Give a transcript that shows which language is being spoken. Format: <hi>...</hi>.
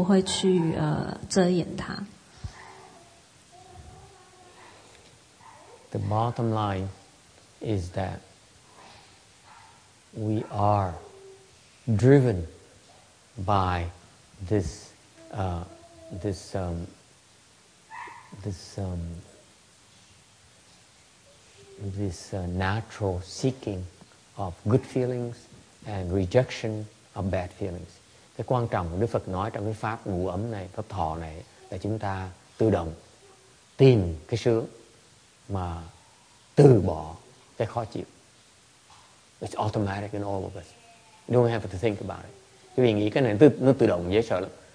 <zh>法师说重点不是那个好的感觉，而是那个不好的感觉。我们没有办法，我们不会去遮掩它。</zh> <en>The bottom line is that we are driven by this natural seeking of good feelings and rejection of bad feelings.</en> <vi>Cái quan trọng Đức Phật nói trong cái pháp ngủ ấm này, pháp thọ này là chúng ta tự động tìm cái sướng mà từ bỏ cái khó chịu.</vi> <en>It's automatic in all of us. You don't have to think about it.</en> <vi>Cái vì nghĩ cái này nó tự động dễ sợ lắm.</vi>